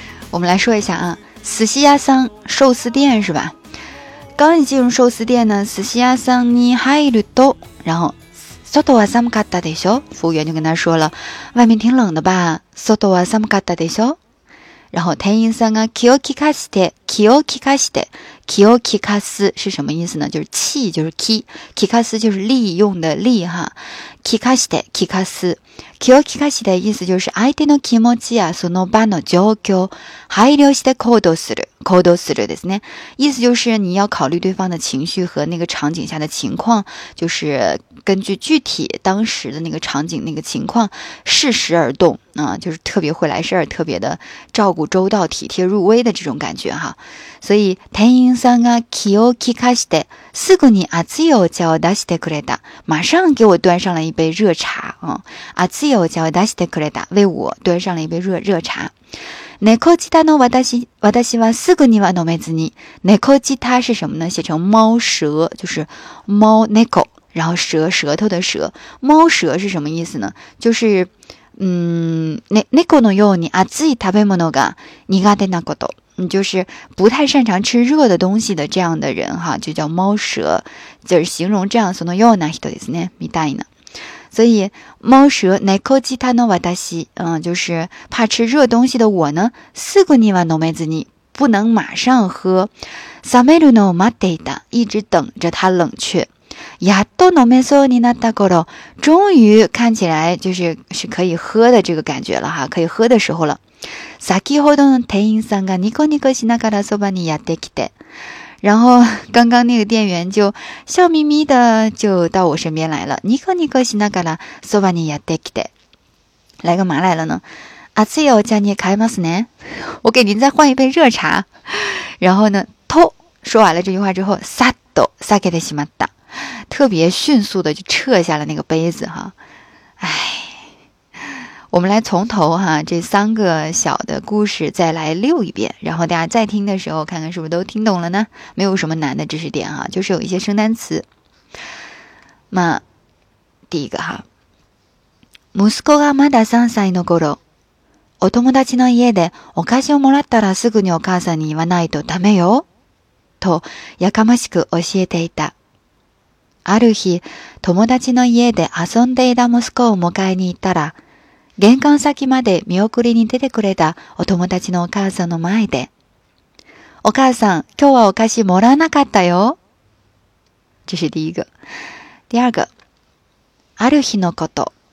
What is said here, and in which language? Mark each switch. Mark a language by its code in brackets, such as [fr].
[zh] 我们来说一下啊， [ja] 寿司屋さん， [zh] 寿司店是吧？刚一进入寿司店呢， [ja] 寿司屋さんに入ると， [zh] 然后 [ja] 外は寒かったでしょ？ [zh] 服务员就跟他说了，外面挺冷的吧？ [ja] 外は寒かったでしょ？然后店員さんが気を利かして，気を利かして，気を利かす [zh] 是什么意思呢？就是气，就是気，利かす就是利用的利哈。 [ja] 気かして、気かす。気を利かして [zh] 意思就是 [ja] 相手の気持ちやその場の状況、配慮して行動する。行動するですね。 [zh] 意思就是你要考虑对方的情绪和那个场景下的情况，就是根据具体当时的那个场景那个情况适时而动啊，就是特别会来事儿，特别的照顾周到体贴入微的这种感觉哈。 [ja] 所以店員さんが気を利かしてすぐに熱いお茶を出してくれた， [zh] 马上给我端上了一杯热茶啊， [ja] 熱いお茶を出してくれた， [zh] 为我端上了一杯热茶。 [ja] 猫舌の私はすぐには飲めずに。 [zh] 猫舌是什么呢？写成猫舌，就是猫猫，然后舌舌头的舌。猫舌是什么意思呢？就是 [ja] 猫のように熱い食べ物が苦手なこと。 [zh] 你就是不太擅长吃热的东西的这样的人哈，就叫猫舌，就是形容这样 [ja] そのような人ですね、みたいな。 [zh] 所以猫舌 [ja] 猫舌の私， [zh] 就是怕吃热东西的我呢， [ja] すぐには飲めずに， [zh] 不能马上喝。 [ja] 冷めるのを待っていた， [zh] 一直等着它冷却。 [ja] やっと飲めそうになった頃， [zh] 终于看起来就是可以喝的这个感觉了哈，可以喝的时候了。 [ja] 先ほどの店員さんがニコニコしながらそばにやってきて， [zh] 然后刚刚那个店员就笑眯眯的就到我身边来了。 [ja] ニコニコしながらそばにやってきて， [zh] 来干嘛来了呢？ [ja] 熱いお茶に変えますね， [zh] 我给您再换一杯热茶。然后呢，と说完了这句话之后， [ja] さっと避けてしまった， [zh] 特别迅速的就撤下了那个杯子哈。哎，我们来从头哈，这三个小的故事再来溜一遍，然后大家再听的时候看看是不是都听懂了呢？没有什么难的知识点哈，就是有一些生单词。 [ja] 那第一个哈，息子がまだ三歳の頃、お友達の家でお菓子をもらったらすぐにお母さんに言わないとダメよとやかましく教えていた。ある日、友達の家で遊んでいた息子を迎えに行ったら、玄関先まで見送りに出てくれたお友達のお母さんの前で、お母さん、今日はお菓子もらわなかったよ。 [zh] 这是第一个。第二个。 [ja] ある日のこと。